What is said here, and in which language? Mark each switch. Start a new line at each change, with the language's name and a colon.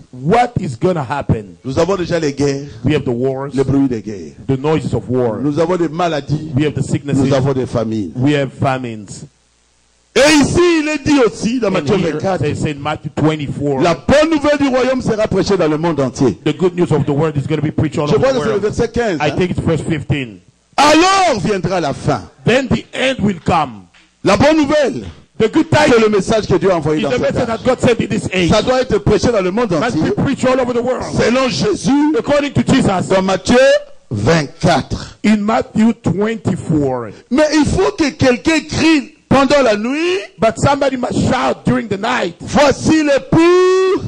English: What is going to happen?
French: Nous avons déjà les guerres.
English: We have the wars.
French: Les bruits des guerres.
English: The noises of war.
French: Nous avons des maladies.
English: We have the sicknesses.
French: Nous avons des famines.
English: We have famines.
French: Et ici, il est dit aussi dans Matthieu 24,
English: here, in Matthew 24,
French: la bonne nouvelle du royaume sera prêchée dans le monde entier.
English: The good news of the world is going to be preached all
French: Je
English: over the world.
French: Je crois que c'est le verset 15.
English: I think it's verse 15.
French: Alors viendra la fin.
English: Then the end will come.
French: La bonne nouvelle.
English: The good tidings.
French: C'est le message que Dieu a envoyé
English: is
French: dans
English: the message that God sent in this age.
French: Ça doit être prêché dans le monde entier.
English: Must be preached all over the world.
French: Selon Jésus.
English: According to Jesus.
French: Dans Matthieu 24.
English: In Matthew 24.
French: Mais il faut que quelqu'un crie. Pendant la nuit,
English: but somebody must shout during the night.
French: Voici l'époux.